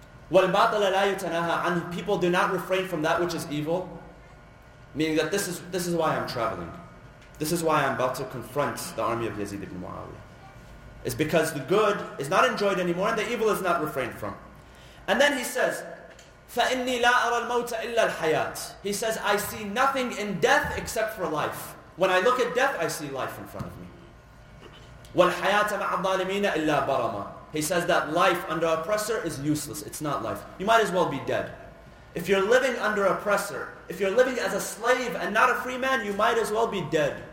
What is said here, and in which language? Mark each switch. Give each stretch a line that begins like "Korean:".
Arabic: وَالْبَاطِلَ لَا يُتَنَهَا عَنْهِ.
English: People do not refrain from that which is evil. Meaning that this is why I'm traveling. This is why I'm about to confront the army of Yazid ibn Muawiyah. It's because the good is not enjoyed anymore and the evil is not refrained from. And then he says,
Arabic: فَإِنِّي لَا أَرَى الْمَوْتَ إِلَّا الْحَيَاةِ.
English: He says, I see nothing in death except for life. When I look at death, I see life in front of me.
Arabic: وَالْحَيَاةَ مَعَ الظَّالِمِينَ إِلَّا بَرَمَا.
English: He says that life under oppressor is useless. It's not life. You might as well be dead. If you're living under oppressor, if you're living as a slave and not a free man, you might as well be dead.